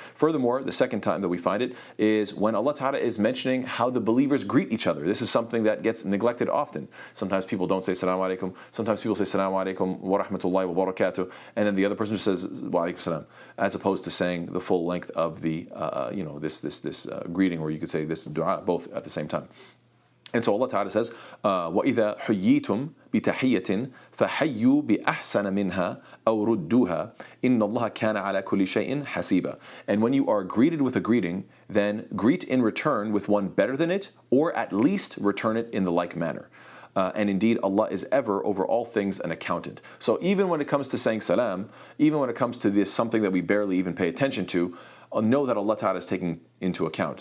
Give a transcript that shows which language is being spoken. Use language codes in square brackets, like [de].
[en] Furthermore, the second time that we find it is when Allah Ta'ala is mentioning how the believers greet each other. This is something that gets neglected often. Sometimes people don't say salamu alaikum. Sometimes people say [ar] salamu alaikum wa rahmatullahi wa barakatuh. [en] And then the other person just says [ar] wa alaikum salam, [en] as opposed to saying the full length of the, you know, this greeting, or you could say this dua, both at the same time. [ar] And so Allah Ta'ala says, وَإِذَا حُيِّيتُمْ بِتَحِيَّةٍ فَحَيُّوا بِأَحْسَنَ مِنْهَا أَوْ رُدُّوهَا إِنَّ اللَّهَ كَانَ عَلَى كُلِّ شَيْءٍ حَسِيبًا. [en] And when you are greeted with a greeting, then greet in return with one better than it, or at least return it in the like manner. And indeed, Allah is ever, over all things, an accountant. So even when it comes to saying salam, even when it comes to this something that we barely even pay attention to, know that Allah Ta'ala is taking into account.